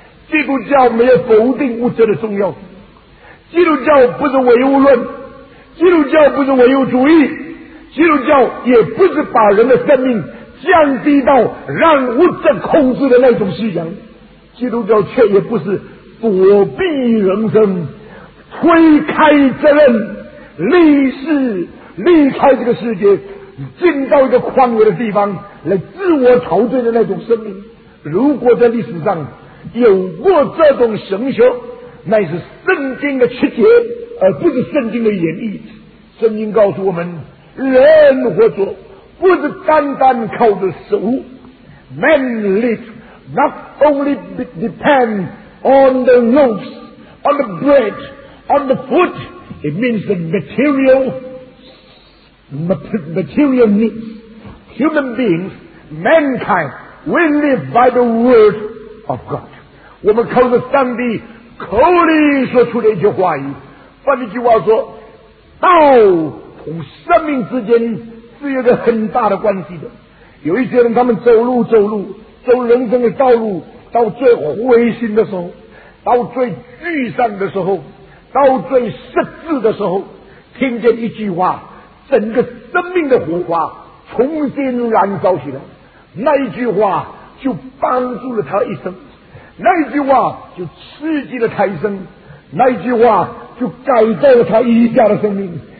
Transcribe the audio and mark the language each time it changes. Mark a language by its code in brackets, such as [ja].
[zh] 基督教没有否定物质的重要，基督教不是唯物论，基督教不是唯物主义，基督教也不是把人的生命降低到让物质控制的那种信仰，基督教却也不是躲避人生、推开责任、立誓离开这个世界，进到一个宽慰的地方来自我陶醉的那种生命。如果在历史上有过这种神学，那是圣经的曲解，而不是圣经的演绎。圣经告诉我们，人活着不是单单靠着食物。 [en] Man live not only depend on the loaves, on the bread, on the food. It means the material needs. Human beings, mankind, we live by the word of God. [zh] 我们靠着上帝口里说出的一句话语。换一句话说，道同生命之间是有一个很大的关系的。有一些人，他们走人生的道路，到最灰心的时候，到最沮丧的时候，到最失志的时候，听见一句话，整个生命的火花重新燃烧起来，那一句话就帮助了他一生，那一句话就刺激了他一生，那一句话就改造了他一家的生命。